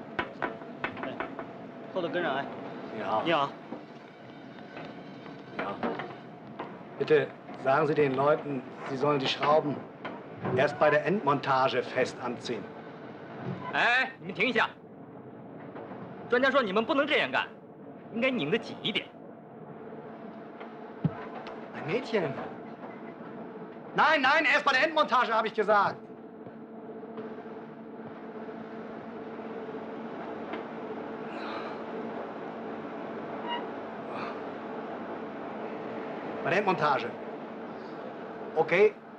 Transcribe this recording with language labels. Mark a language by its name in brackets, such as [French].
[German] Bitte。 [Chinese] 后头跟上来。你好。你好。你好。 [German] Bitte。 Sagen Sie den Leuten, sie sollen die Schrauben erst bei der Endmontage fest anziehen. [Chinese] 哎，你们停一下。专家说你们不能这样干，应该拧得紧一点。 [German] Ein Mädchen. Nein, nein, erst bei der Endmontage habe ich gesagt. Bei der Endmontage. Okay.